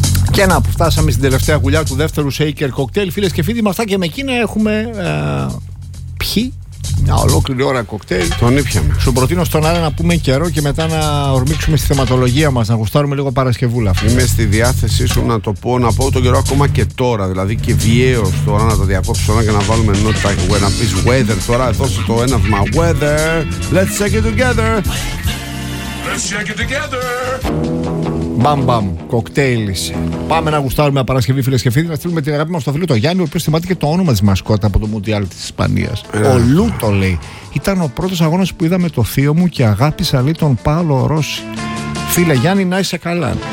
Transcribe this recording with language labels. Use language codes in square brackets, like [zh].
[el] Και να που φτάσαμε στην τελευταία γουλιά του δεύτερου Shaker Cocktail. Φίλες και φίλοι, με αυτά και με εκείνα έχουμε πιει μια ολόκληρη ώρα κοκτέιλ. Τον ήπιαμε. Σου προτείνω στον Άρη να πούμε καιρό και μετά να ορμήξουμε στη θεματολογία μας, να γουστάρουμε λίγο Παρασκευούλα. Είμαι στη διάθεσή σου να το πω, να πω τον καιρό ακόμα και τώρα. Δηλαδή και βιαίως τώρα να το διακόψω και να βάλουμε ενότητα. Να πει weather τώρα, δώσε το έναυμα. [en] Weather, let's shake it together. Let's shake it together. [el] Μπαμ μπαμ, κοκτέιλ. Πάμε να γουστάρουμε μια Παρασκευή, φίλες και φίλοι. Να στείλουμε την αγάπη μας στο φίλο το Γιάννη, ο οποίος θυμάται και το όνομα της μασκότα από το Μουντιάλ της Ισπανίας. Ο Λούτο, λέει. Ήταν ο πρώτος αγώνας που είδαμε το θείο μου και αγάπησα, λέει, τον Πάολο Ρώση. Φίλε Γιάννη, να είσαι καλά.